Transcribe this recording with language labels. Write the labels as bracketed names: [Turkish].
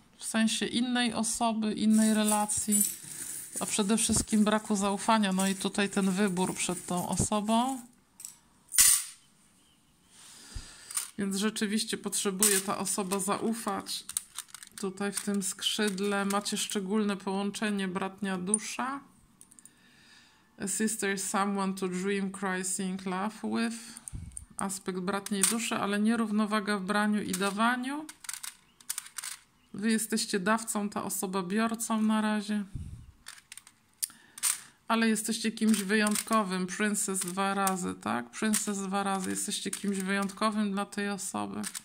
[Polish] W sensie innej osoby, innej relacji, a przede wszystkim braku zaufania. No i tutaj ten wybór przed tą osobą. Więc rzeczywiście potrzebuje ta osoba zaufać. Tutaj w tym skrzydle macie szczególne połączenie bratnia dusza. [English] A sister is someone to dream, cry, sing, laugh with. [Polish] Aspekt bratniej duszy, ale nierównowaga w braniu i dawaniu. Wy jesteście dawcą, ta osoba biorcą na razie. Ale jesteście kimś wyjątkowym. Princess dwa razy, tak? Princess dwa razy. Jesteście kimś wyjątkowym dla tej osoby.